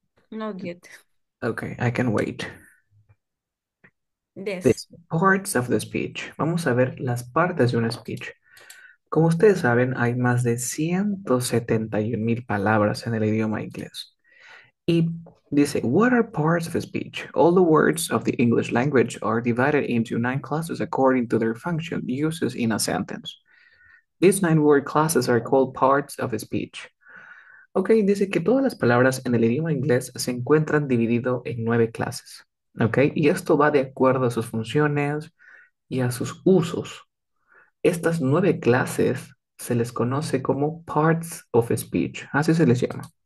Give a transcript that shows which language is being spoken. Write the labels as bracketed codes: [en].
[en] No get Ok, I can wait. this. Parts of the speech. [es] Vamos a ver las partes de un speech. Como ustedes saben, hay más de 171 mil palabras en el idioma inglés. Y dice, [en] what are parts of a speech? All the words of the English language are divided into nine classes according to their function, uses in a sentence. These nine word classes are called parts of a speech. [es] Ok, dice que todas las palabras en el idioma inglés se encuentran dividido en nueve clases. Okay, y esto va de acuerdo a sus funciones y a sus usos. Estas nueve clases se les conoce como [en] parts of speech, [es] así se les llama.